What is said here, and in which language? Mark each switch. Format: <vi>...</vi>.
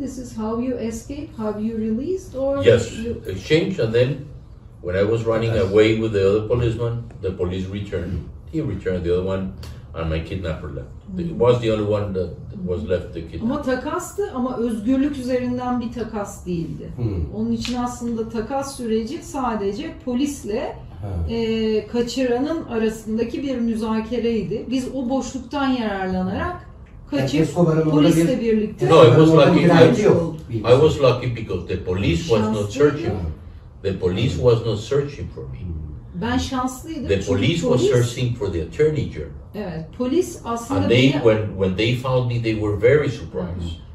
<en>This is how you escape, how you released, or yes, exchange, and then when I was running away with the other policeman, the police returned. He returned the other one, and my kidnapper left. Hmm. It was the only one that was left, the kidnapper.</en> <tr>Ama takastı, ama özgürlük üzerinden bir takas değildi. Hmm. Onun için aslında takas süreci sadece polisle kaçıranın arasındaki bir müzakereydi. Biz o boşluktan yararlanarak kaçıp polisle birlikte...</tr> <en>No, I was lucky because the police was not searching. The police was not searching for me.</en> <tr>Ben şanslıydım.</tr> <en>The police was searching for the attorney general.</en> <tr>Evet, polis aslında...</tr> <en>And they, when they found me, they were very surprised.</en>